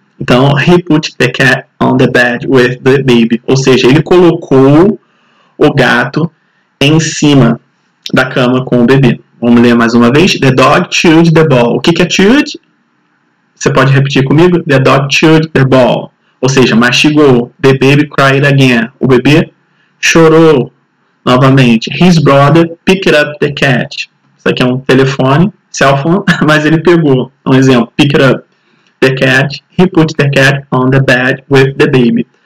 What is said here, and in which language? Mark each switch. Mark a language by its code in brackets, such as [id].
[en] Então, he put the cat on the bed with the baby. [pt] Ou seja, ele colocou o gato em cima da cama com o bebê. Vamos ler mais uma vez. [en] The dog chewed the ball. [pt] O que que é chewed? Você pode repetir comigo? [en] The dog chewed the ball. [pt] Ou seja, mastigou. [en] The baby cried again. [pt] O bebê chorou novamente. [en] His brother picked up the cat. [pt] Isso aqui é um telefone, cell phone, mas ele pegou. Um exemplo. [en] Picked up the cat. He put the cat on the bed with the baby.